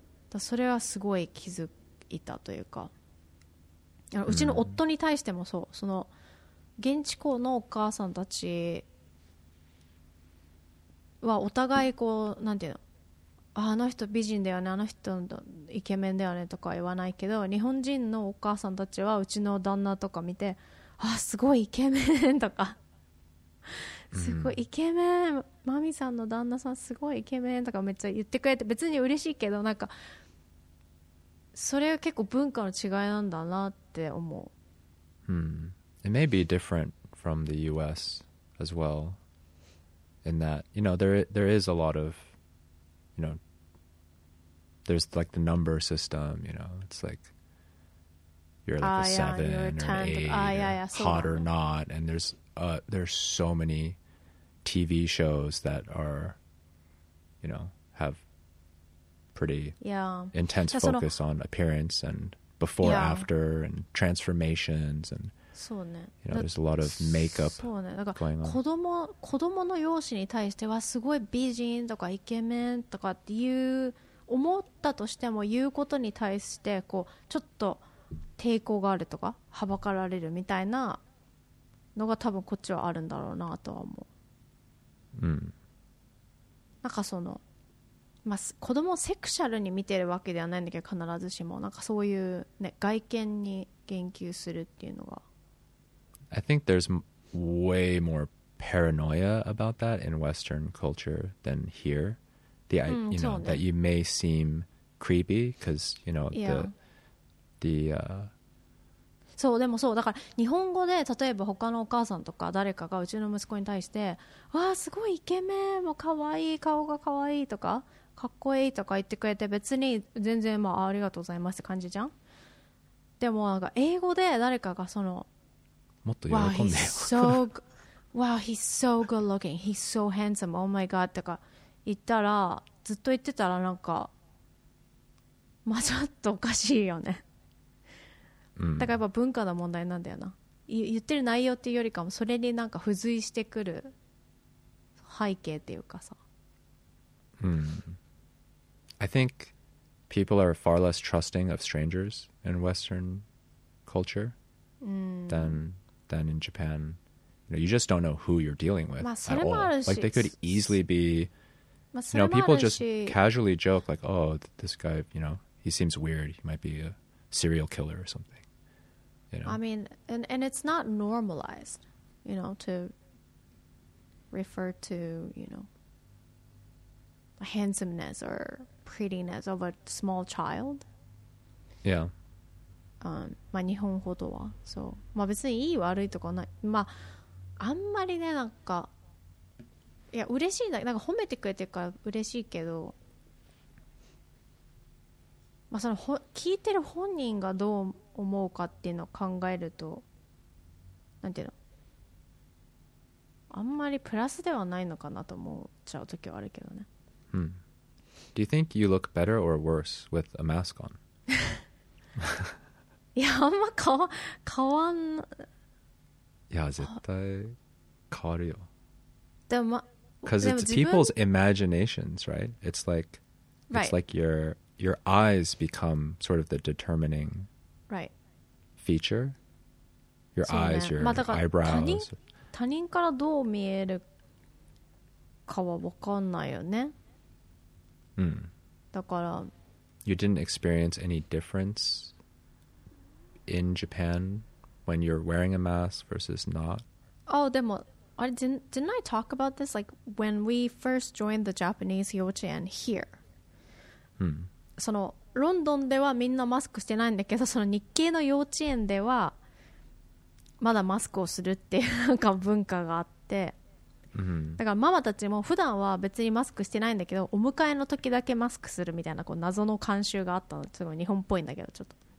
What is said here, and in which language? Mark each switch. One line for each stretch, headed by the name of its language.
Japanese: だそれはすごい気づいたというか、うちの夫に対してもそう、その現地校のお母さんたちはお互いこうなんていうの、あの人美人だよね、あの人イケメンだよねとか言わないけど、日本人のお母さんたちはうちの旦那とか見て、あすごいイケメンとかすごいイケメン、マミさんの旦那さんすごいイケメンとかめっちゃ言ってくれて、別に嬉しいけど、なんかそれは結構文化の違いなんだなって思う。
English: It may be different from the US as well, in that, you know, there is a lot of, you know, there's like the number system, you know, it's like you're like a 7 or an 8 hot or not, and there's so many TV shows that are, you know, have pretty intense focus on appearance and before after and transformations and,
Japanese: そうね、
English: you know, there's a lot of makeup going on.
Japanese: 子供の容姿に対してはすごい美人とかイケメンとかっていう思ったとしても、言うことに対してこうちょっと抵抗があるとかはばかられるみたいなのが多分こっちはあるんだろうなとは思う。なんかその、まあ、子供をセクシャルに見てるわけではないんだけど、必ずしもなんかそういう、ね、外見に言及するっていうのが、
English: I think there's way more paranoia about that in Western culture than here. The I, you know, that you may seem creepy because, you know,
Japanese: そう、でもそうだから日本語で例えば他のお母さんとか誰かがうちの息子に対して、わーすごいイケメン、もうかわいい、顔がかわいいとかかっこいいとか言ってくれて、別に全然、まあ、ありがとうございますって感じじゃん。でもなんか英語で誰かがそのもっと喜んでよ、
English: Wow, he's so good looking, he's so handsome, oh my god
Japanese: とか言ったら、ずっと言ってたらなんか、まあ、ちょっとおかしいよね。だからやっぱ文化の問題なんだよな、言ってる内容っていうよりかもそれになんか付随してくる背景っていうかさ。
English: I think people are far less trusting of strangers in Western culture than in Japan. You know, you just don't know who you're dealing with at all. Like they could easily be, you know, people just casually joke like, oh, this guy, you know, he seems weird. He might be a serial killer or something. You know? I mean, and it's not normalized, you know, to refer to, you know, handsomeness or prettiness of a small child. Yeah.
Japanese: まあ日本ほどは、そう、まあ別にいい悪いとかない、まああんまりね、なんか、いや嬉しいな、なんか褒めてくれてるから嬉しいけど、まあその聞いてる本人がどう思うかっていうのを考えると、なんていうの、あんまりプラスではないのかなと思っちゃう時はあるけどね。
English: Do you think you look better or worse with a mask on?
Japanese: いやあんま変わん、いや絶対変わるよ。でも、ま、
English: Because it's people's imaginations, right? It's like your eyes become sort of the determining Right. Feature? Your eyes, your eyebrows.
Japanese: 他人からどう見えるかは分かんないよね。うん。だから。
English: You didn't experience any difference in Japan when you're wearing a mask versus not? Oh,
Japanese: でも、
English: didn't I talk about this? Like, when we first joined the Japanese 幼稚園 here. Hmm.
Japanese: その、ロンドンではみんなマスクしてないんだけど、その日系の幼稚園では、まだマスクをするっていうなんか文化があって、 mm-hmm. だからママたちも普段は別にマスクしてないんだけど、お迎えの時だけマスクするみたいなこう謎の慣習があったの。すごい日本っぽいんだけど、ちょっと。